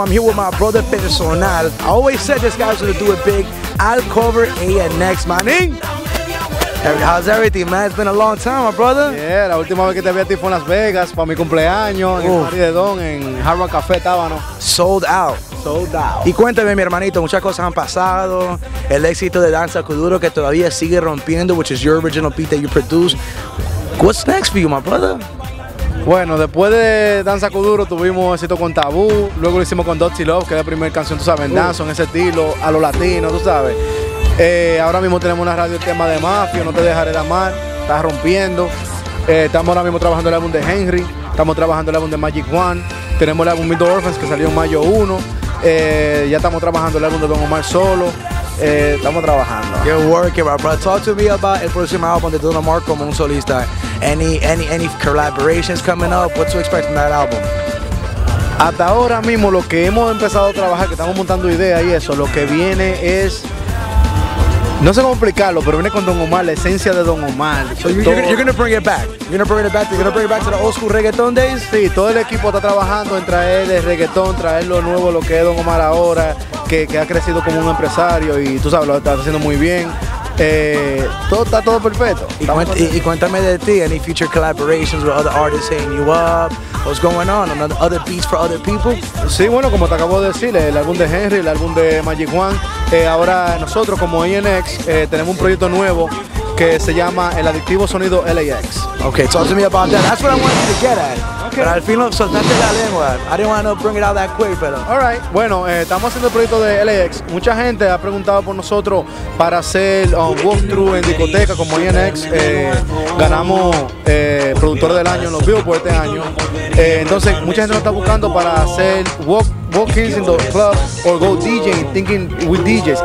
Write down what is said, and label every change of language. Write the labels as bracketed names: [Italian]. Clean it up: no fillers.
[English] I'm here with my brother Personal. I always said this guy's gonna do it big. Alcover A&X, manning. How's everything, man? It's been a long time, my brother. [Spanish] Yeah, la última vez que te vi a ti fue en Las Vegas para mi cumpleaños en Mari de Don en Hard Rock Café Tábano. [English] Sold out. Sold out. [Spanish] Y cuéntame, mi hermanito, muchas cosas han pasado. El éxito de Danza Kuduro que todavía sigue rompiendo, [English] which is your original beat that you produced. What's next for you, my brother? [Spanish] Bueno, después de Danza Kuduro tuvimos éxito con Tabú, luego lo hicimos con Dusty Love, que es la primera canción, tú sabes, danza, en ese estilo, a lo latino, tú sabes. Ahora mismo tenemos una radio tema de mafia, no te dejaré de amar, está rompiendo. Estamos ahora mismo trabajando el álbum de Henry, estamos trabajando el álbum de Magic One, tenemos el álbum Mid Orphans que salió en mayo 1, ya estamos trabajando el álbum de Don Omar Solo, estamos trabajando. [English] You're working, my brother. Talk to me about [Spanish] el próximo álbum de Don Omar como un solista. [English] Any collaborations coming up? What to expect from that album? [Spanish] Hasta ahora mismo lo que hemos empezado a trabajar, que estamos montando ideas y eso, lo que viene es... No sé cómo explicarlo, pero viene con Don Omar, la esencia de Don Omar. [English] So you're going to bring it back. You're going to bring it back. You're going to bring it back to the old school reggaeton days. [Spanish] Sí, todo el equipo está trabajando en traer el reggaeton, traer lo nuevo, lo que es Don Omar ahora, que ha crecido como un empresario y tú sabes, lo está haciendo muy bien. Todo está perfecto. Y cuéntame de ti, [English] any future collaborations with other artists hitting you up? What's going on? Other beats for other people? [Spanish] Sí, bueno, como te acabo de decir, el álbum de Henry, el álbum de Magic One. Ahora nosotros como A&X tenemos un proyecto nuevo que se llama El Adictivo Sonido LAX. [English] Okay, talk to me about that. That's what I wanted to get at. Okay. [Spanish] Pero al fin lo soltaste la lengua. [English] I didn't want to bring it out that quick, [Spanish] pero... [English] All right. [Spanish] Bueno, estamos haciendo el proyecto de LAX. Mucha gente ha preguntado por nosotros para hacer walkthrough en discoteca como A&X. Ganamos productor del año en los Billboard este año. Entonces, mucha gente nos está buscando para hacer [English] walk-ins in the club or go DJing, thinking with DJs.